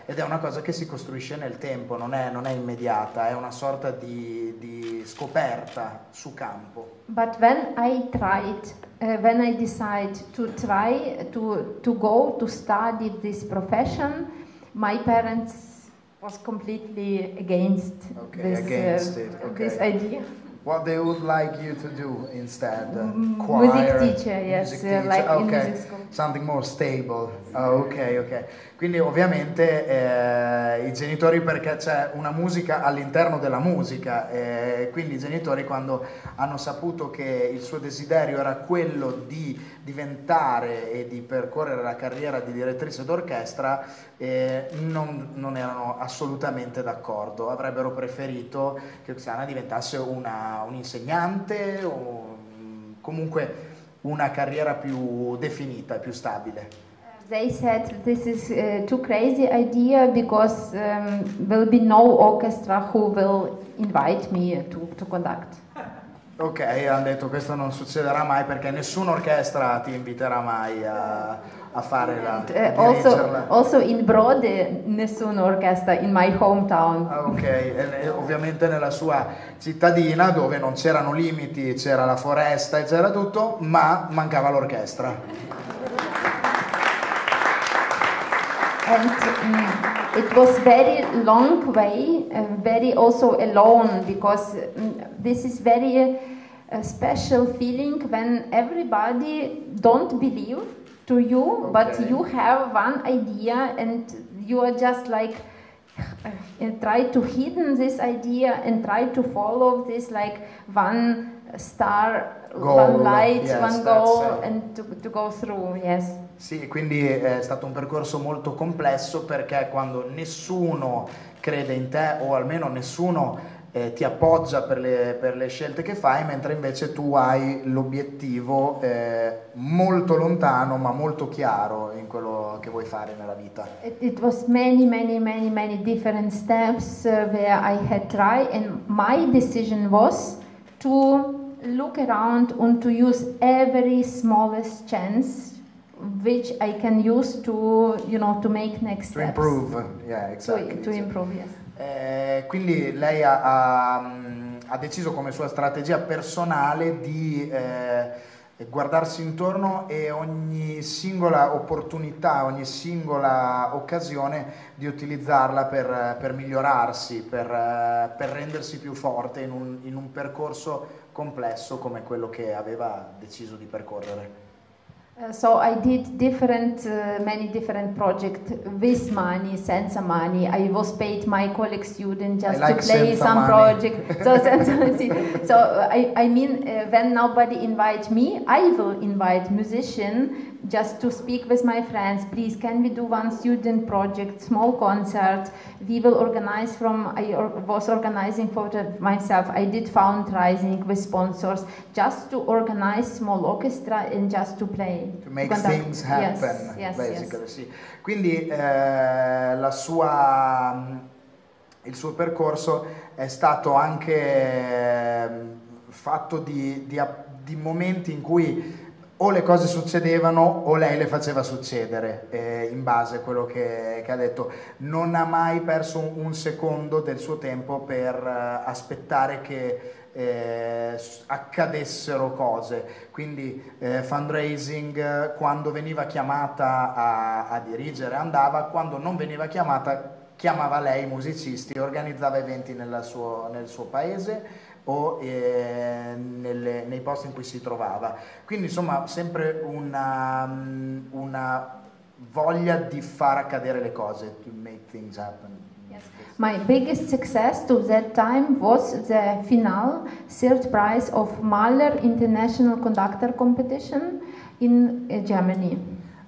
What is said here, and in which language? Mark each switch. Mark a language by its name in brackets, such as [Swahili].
[Italian] Ed è una cosa che si costruisce nel tempo, non è immediata, è una sorta di scoperta su campo. [English] But when I tried, when I decide to try to go to study this profession, my parents was completely against, this idea. What they would like you to do instead? Choir, music teacher, like okay. In music school. Something more stable. Oh, ok. [Italian] Quindi ovviamente i genitori, perché c'è una musica all'interno della musica, quindi i genitori quando hanno saputo che il suo desiderio era quello di diventare e di percorrere la carriera di direttrice d'orchestra, non erano assolutamente d'accordo, avrebbero preferito che Oksana diventasse un'insegnante o comunque una carriera più definita, più stabile. [English] They said this is too crazy idea because will be no orchestra who will invite me to conduct. [Italian] Ok, hanno detto questo non succederà mai perché nessuna orchestra ti inviterà mai a fare la dirigerla. [English] Also in Brode [Italian] nessuna orchestra [English] in my hometown. [Italian] Ok, e ovviamente nella sua cittadina dove non c'erano limiti, c'era la foresta e c'era tutto, ma mancava l'orchestra. [English] And it was very long way, very also alone, because this is very special feeling when everybody don't believe to you, okay. But you have one idea and you are just like try to hidden this idea and try to follow this like one star, goal. One light, yes, one goal, and to go through, yes. [Italian] Sì, quindi è stato un percorso molto complesso perché quando nessuno crede in te o almeno nessuno ti appoggia per le scelte che fai, mentre invece tu hai l'obiettivo molto lontano ma molto chiaro in quello che vuoi fare nella vita. [English] It was many, many, many, many different steps where I had tried, and my decision was to look around and to use every smallest chance which I can use to, you know, to make next steps. To improve, yeah, exactly. To improve, yes. [Italian] Quindi lei ha deciso come sua strategia personale di guardarsi intorno e ogni singola opportunità, ogni singola occasione di utilizzarla per migliorarsi, per rendersi più forte in un percorso complesso come quello che aveva deciso di percorrere. [English] So I did many different projects with money, [Italian] senza [English] money. I was paid my colleague student just like to play some money. Project. So I mean, when nobody invite me, I will invite musician just to speak with my friends. Please, can we do one student project, small concert? We will organize I was organizing for myself. I did fundraising with sponsors just to organize small orchestra and just to play. To make things happen, basically. [Italian] Sì. Quindi il suo percorso è stato anche fatto di momenti in cui o le cose succedevano o lei le faceva succedere, in base a quello che ha detto. Non ha mai perso un secondo del suo tempo per aspettare che accadessero cose, quindi fundraising, quando veniva chiamata a dirigere andava, quando non veniva chiamata chiamava lei i musicisti, organizzava eventi nel suo paese o nei posti in cui si trovava, quindi insomma sempre una voglia di far accadere le cose, [English] to make things happen. My biggest success to that time was the final third prize of Mahler International Conductor Competition in Germany.